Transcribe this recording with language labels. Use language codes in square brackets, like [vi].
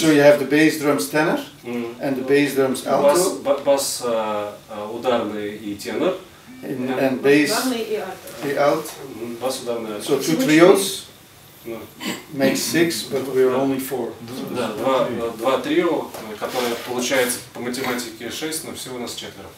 [en] So you have the bass, drums, tenor, and the bass, drums, alto. [ru] Bass, ударный и тенор. [en] And bass, the alto. [ru] Bass, ударный. [en] So two trios make six, but we are only four. [ru] Два трио, которые получается по математике шесть, но всего у нас четверо.